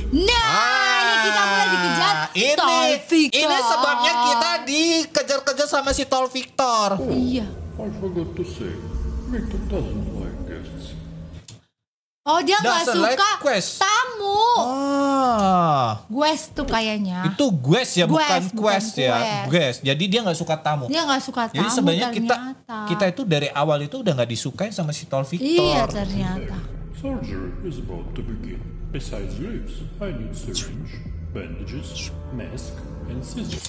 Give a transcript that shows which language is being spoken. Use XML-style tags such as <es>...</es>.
<id>Nah, ini kita mulai dikejar Taufik. Ini sebabnya kita dikejar-kejar sama si Taufik. Oh, iya.</id> <en>I forgot to say, Victor doesn't like guests.</en> <id>Oh, dia gak suka</id> <en>like quest.</en> <id>Tamu. Ah. Guest tuh kayaknya. Itu guest ya, guest, bukan quest ya. Guest. Jadi dia gak suka tamu. Dia gak suka tamu. Jadi sebenarnya kita itu dari awal itu udah gak disukain sama si Taufik. Iya, ternyata.</id> <en>Surgery is about to begin. Besides leaves, I need syringe, bandages, mask, and scissors.</en>